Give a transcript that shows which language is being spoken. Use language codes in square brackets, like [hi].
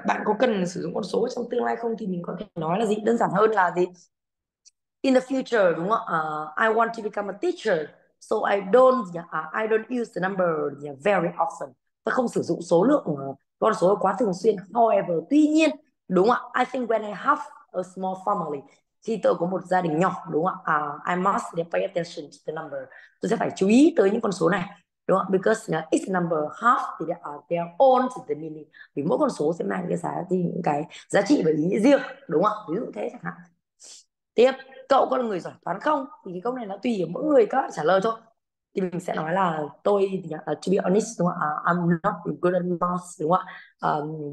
[vi] Bạn có cần sử dụng con số trong tương lai không, thì mình có thể nói là gì, đơn giản hơn là gì, [en] in the future, [vi] đúng không? [en] I want to become a teacher, so I don't use the number very often. [vi] Tôi không sử dụng số lượng con số quá thường xuyên. [en] However, [vi] tuy nhiên, đúng không? [en] I think when I have a small family, [vi] thì tôi có một gia đình nhỏ, đúng không? [en] I must pay attention to the number. [vi] Tôi sẽ phải chú ý tới những con số này, đúng không? [en] Because it's number half [vi] thì [en] they're all to the meaning. [vi] Vì mỗi con số sẽ mang cái giá trị, những cái giá trị và ý nghĩa riêng, đúng không? Ví dụ thế chẳng hạn. Tiếp, cậu có là người giỏi toán không? Thì cái câu này nó tùy ở mỗi người các bạn trả lời thôi. Thì mình sẽ nói là tôi [en] to be honest, [vi] đúng không? [en] I'm not good at math, [vi] đúng không?